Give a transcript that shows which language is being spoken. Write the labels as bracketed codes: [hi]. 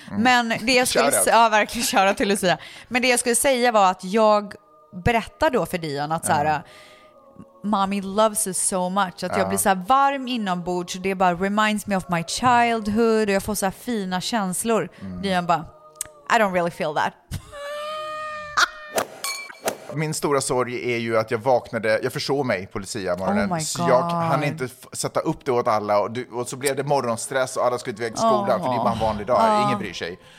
[sv] Men det jag skulle verkligen köra till Lucia. Men det jag skulle säga var att jag berättade då för Dian att så här, [en] mommy loves us so much, [sv] att jag blir så här varm inombords, det bara [en] reminds me of my childhood [sv] och jag får så här fina känslor. [en] Dian [sv] bara, [en] I don't really feel that. [sv] Min stora sorg är ju att jag vaknade, jag försov mig på Lucia morgonen. Oh, så jag hann inte sätta upp det åt alla och så blev det morgonstress och alla skulle inte väga skolan för det är bara en vanlig dag. Ingen bryr sig.